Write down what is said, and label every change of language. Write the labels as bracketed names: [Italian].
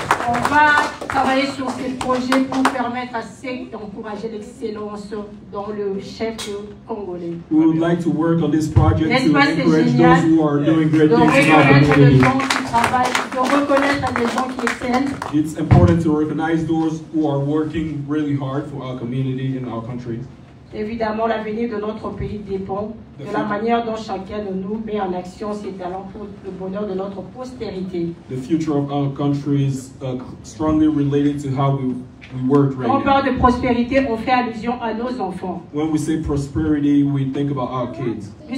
[French] On va travailler sur ce projet pour permettre à ceux d'encourager l'excellence dans le chef congolais. [English] We would like to work on this project to encourage those who are doing great things in our community. It's important to recognize those who are working really hard for our community and our country. [French] Évidemment, l'avenir de notre pays dépend de la manière dont chacun de nous met en action ses talents pour le bonheur de notre postérité. [English] The future of our country is strongly related to how we work right now. [French] Quand on parle de prospérité, on fait allusion à nos enfants. [English] When we say prosperity, we think about our kids.